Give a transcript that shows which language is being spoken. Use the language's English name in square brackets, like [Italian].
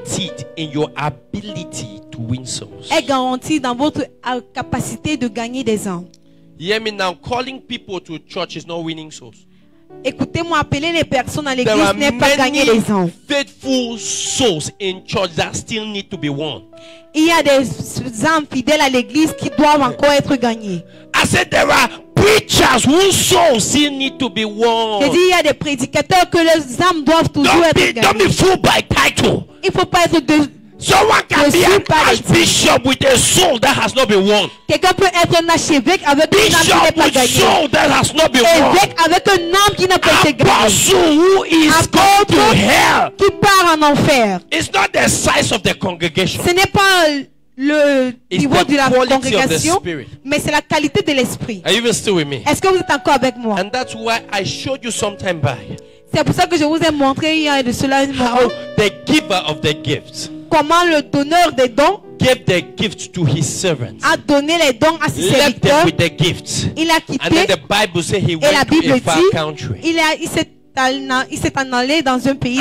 [English] is guaranteed in your ability to win souls. [French] Est garantie dans votre capacité de gagner des âmes. [English] Hear me now, calling people to church is not winning souls. [French] Écoutez-moi, appeler les personnes à l'église n'est pas gagner les âmes. [English] Faithful souls in church that still need to be won. [French] Il y a des âmes fidèles à l'église qui doivent encore être gagnées. [English] I said there are preachers whose souls still need to be won. [French] J'ai dit il y a des prédicateurs que leurs âmes doivent toujours [English] don't [French] être [English] be, [French] gagnées. [English] Don't be fooled by title. [French] Il faut pas être de [English] someone can be an archbishop with a soul that has not been won. [French] Quelqu'un peut être un archevêque avec un âme qui n'est pas gagnée. [English] Bishop with soul that has not been won. [French] Évêque avec un âme qui n'a pas été gagnée. [English] Apostle who is hell. [French] Qui part en enfer. [English] It's not the size of the congregation. [French] Ce n'est pas le niveau [English] it's [French] de la congrégation, mais c'est la qualité de l'esprit. [English] Are you even still with me? [French] Est-ce que vous êtes encore avec moi? [English] And that's why I showed you some time back. [French] C'est pour ça que je vous ai montré il y a de cela une [English] how moment. The giver of the gifts. [French] Comment le donneur des dons [English] gave the gift to his servants, [French] a donné les dons à ses serviteurs. Il a quitté. [English] And then the Bible says he [French] et [English] went [French] la Bible [English] to a [French] dit, [English] far country. [French] Il s'est en allé dans un pays